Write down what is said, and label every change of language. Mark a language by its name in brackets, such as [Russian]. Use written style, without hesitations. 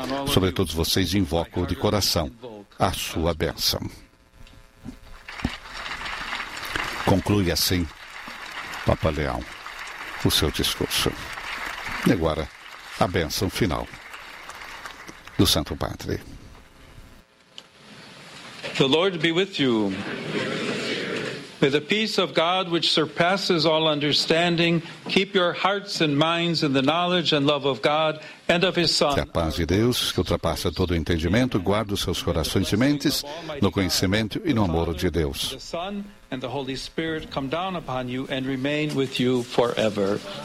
[Portuguese] Sobre todos vocês, invoco de coração a sua bênção. Conclui assim, Papa Leão, o seu discurso. E agora, a bênção final do Santo Padre. [English] The Lord be with you. May the peace of God, which surpasses all understanding, keep your hearts and minds in the knowledge and love of God and of His Son. [Portuguese] Que a paz de Deus, que ultrapassa todo o entendimento, guarde os seus corações e mentes no conhecimento e no amor de Deus. [English] And the Holy Spirit come down upon you and remain with you forever.